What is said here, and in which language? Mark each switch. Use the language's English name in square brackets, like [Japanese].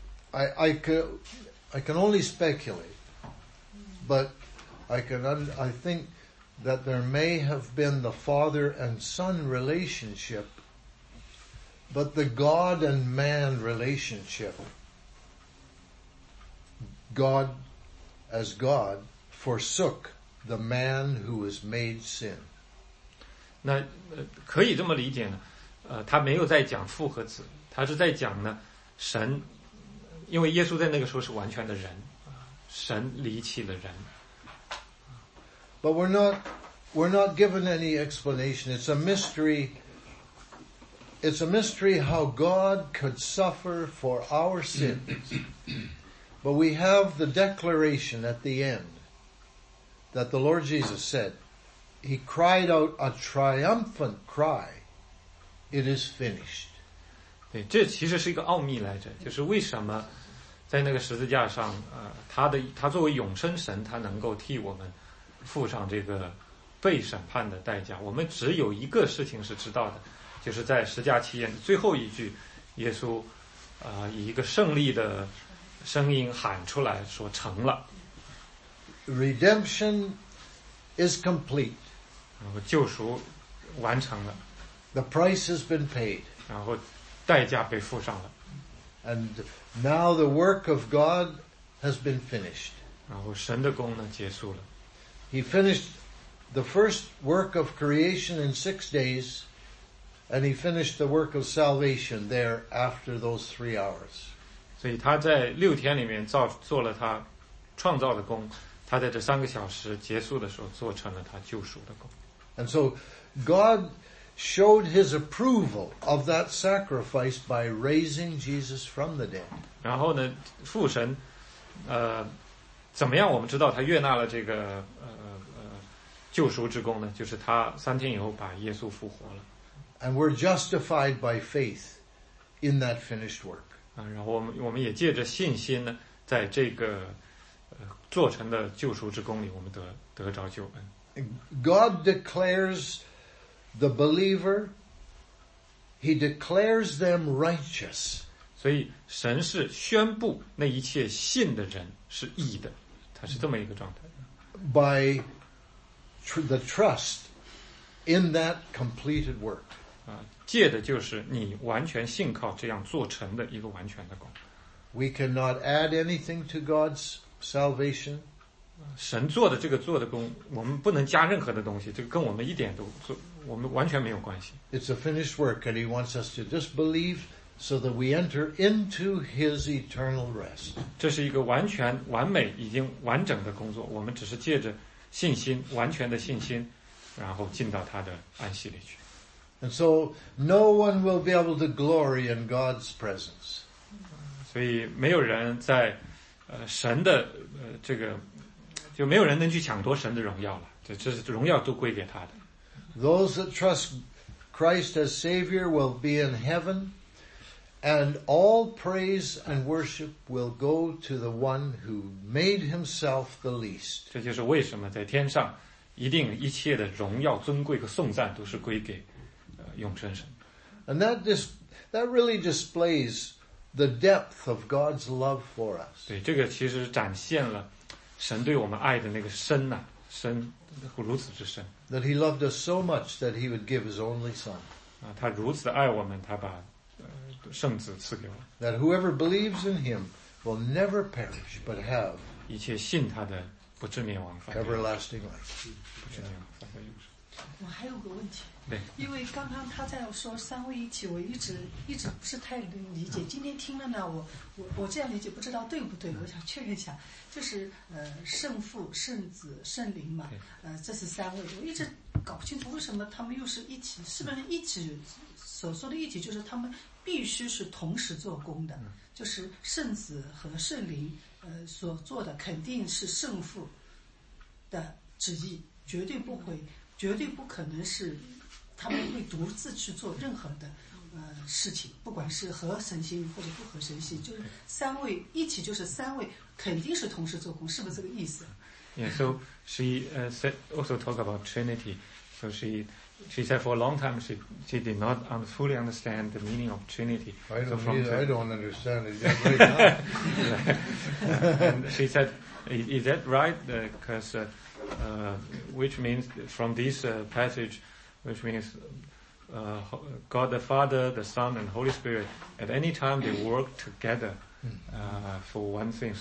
[English] I can only speculate but I think that there may have been the father and son relationship, but the God and man relationship, God as God forsook the man who was made sin. [Chinese] 那可以这么理解呢，他没有在讲父和子，他是在讲呢神，因为耶稣在那个时候是完全的人，神离弃了人。 [English] But we're not given any explanation. It's a mystery. It's a mystery how God could suffer for our sins. But we have the declaration at the end that the Lord Jesus said, He cried out a triumphant cry. It is finished. [Chinese] 对，这其实是一个奥秘来着，就是为什么在那个十字架上，他作为永生神，他能够替我们付上这个被审判的代价。我们只有一个事情是知道的，就是在十架七言的最后一句，耶稣以一个胜利的声音喊出来说成了。 [English] Redemption is complete. [Chinese] 然后救赎完成了。 [English] The price has been paid. [Chinese] 然后代价被付上了。 [English] And now the work of God has been finished. [Chinese] 然后神的功呢结束了。 [English] He finished the first work of creation in 6 days, and he finished the work of salvation there after those 3 hours. [Chinese] 所以他在六天里面做了他创造的工，他在这三个小时结束的时候做成了他救赎的工。 [English] And so God showed his approval of that sacrifice by raising Jesus from the dead. [Chinese] 然后呢，父神，怎么样？我们知道他悦纳了这个救赎之功呢？就是他三天以后把耶稣复活了。 [English] And we're justified by faith in that finished work. [Chinese] 啊，然后我们也借着信心呢，在这个做成的救赎之功里，我们得着救恩。 [English] God declares the believer; He declares them righteous. [Chinese] 所以神是宣布那一切信的人是义的。它是这么一个状态。 [English] By the trust in that completed work. [Chinese] 借的就是你完全信靠这样做成的一个完全的功。 [English] We cannot add anything to God's salvation. [Chinese] 神做的这个做的功，我们不能加任何的东西，这个跟我们一点都做，我们完全没有关系。 [English] It's a finished work and he wants us to just believe so that we enter into his eternal rest. [Chinese] 这是一个完全完美已经完整的工作，我们只是借着信心，完全的信心，然后进到他的安息里去。 [English] And so no one will be able to glory in God's presence. [Chinese] 所以没有人在神的这个，就没有人能去抢夺神的荣耀了，这是荣耀都归给他的。 [English] Those that trust Christ as Savior will be in heaven, and all praise and worship will go to the one who made himself the least. [Chinese] 这就是为什么在天上一定一切的荣耀尊贵和颂赞都是归给永生神。 [English] And that really displays the depth of God's love for us. [Chinese] 对，这个其实展现了神对我们爱的那个深啊，深如此之深。 [English] That he loved us so much that he would give his only son. [Chinese] 他如此爱我们，他把圣子赐给我。 [English] That whoever believes in him will never perish but have [Chinese] 一切信他的不至灭亡，反而 [English] everlasting life。 [Chinese] 我还有个问题，因为刚刚他在说三位一体，我一直不是太能理解，今天听了呢，我这样理解不知道对不对，我想确认一下，就是圣父圣子圣灵嘛，这是三位，我一直搞不清楚为什么他们又是一体，是不是一体所说的一体就是他们必须是同时做工的，就是圣子和圣灵所做的肯定是圣父的旨意，绝对不可能是他们会独自去做任何的事情，不管是合神心或者不合神心，就是三位一起，就是三位肯定是同时做工，是不是这个意思？ [English] Yeah, so she also talk about Trinity. So she said for a long time she did not fully understand the meaning of Trinity. I don't understand it yet right now. And she said, is that right? Because which means from this passage, which means God the Father, the Son, and Holy Spirit, at any time they work together for one thing.